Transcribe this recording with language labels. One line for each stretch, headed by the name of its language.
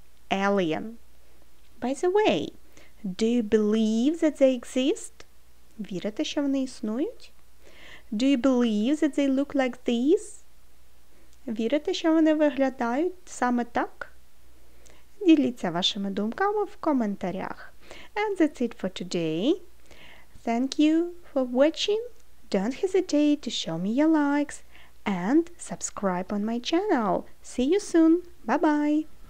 English: By the way, do you believe that they exist?
Ukrainian: Вірите, що вони існують?
English: Do you believe that they look like this?
Ukrainian: Вірите, що вони виглядають саме так? Діліться вашими думками в коментарях.
English: And that's it for today. Thank you for watching. Don't hesitate to show me your likes and subscribe on my channel. See you soon. Bye-bye.